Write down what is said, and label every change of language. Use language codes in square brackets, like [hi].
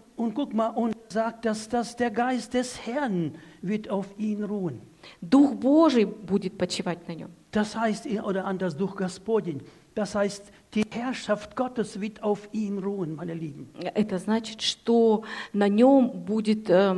[de] Und guck mal, und sagt, dass das der Geist des Herrn wird auf ihn ruhen. [ru] Дух Божий будет почивать на нем. [de] Das heißt, oder anders, [ru] Дух Господень. [de] Das heißt, die Herrschaft Gottes wird auf ihm ruhen, meine Lieben. [ru] Это значит, что на нем будет